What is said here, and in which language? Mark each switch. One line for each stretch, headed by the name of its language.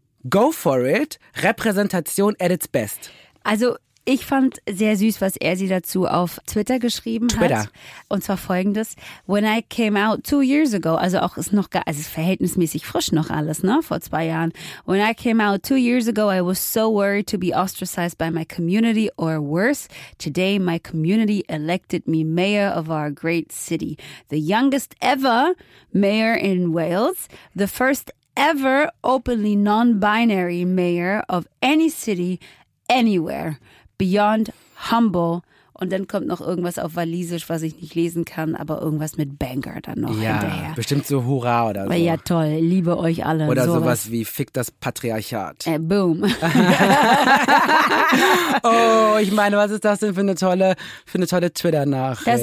English: Go for it. Repräsentation at its best.
German: Also ich fand sehr süß, was er sie dazu auf Twitter geschrieben hat. Und zwar folgendes.
English: When I came out 2 years ago,
German: also auch ist noch, also ist verhältnismäßig frisch noch alles, ne, vor 2 Jahren.
English: When I came out 2 years ago, I was so worried to be ostracized by my community or worse. Today my community elected me mayor of our great city. The youngest ever mayor in Wales. The first ever openly non-binary mayor of any city anywhere. Beyond humble.
German: Und dann kommt noch irgendwas auf Walisisch, was ich nicht lesen kann, aber irgendwas mit Banger dann noch hinterher. Bestimmt so Hurra oder so. Ja, toll. Liebe euch alle. Oder sowas wie Fick das Patriarchat. Boom. Oh, ich meine, was ist das denn für eine tolle Twitter-Nachricht?